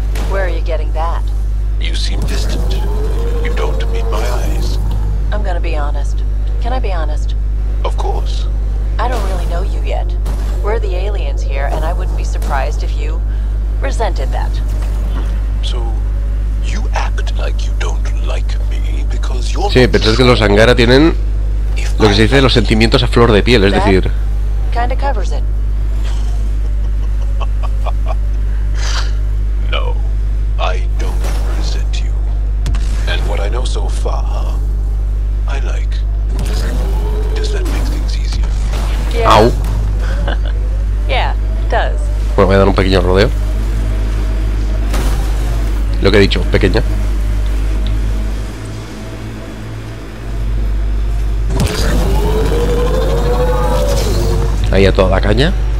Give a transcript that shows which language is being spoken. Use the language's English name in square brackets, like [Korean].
[Spanish] ¿Dónde estás obteniendo eso? Te ves distante. No te miras mis ojos. Voy a ser honesto. ¿Puedo ser honesto? Claro. No te conozco realmente todavía. Somos los aliens aquí y no me sorprendería si te resentías eso. [English] You act like you don't like me because you're... [Spanish] Sí, pero es que los Angara tienen lo que se dice, los sentimientos a flor de piel, es decir. [English] Kind of covers it. No, I don't resent you. And what I know so far, I like. Does that make things easier? Yeah. Au. Yeah, it does. [Spanish] Bueno, voy a dar un pequeño rodeo. Lo que he dicho, pequeña. Ahí a toda la caña.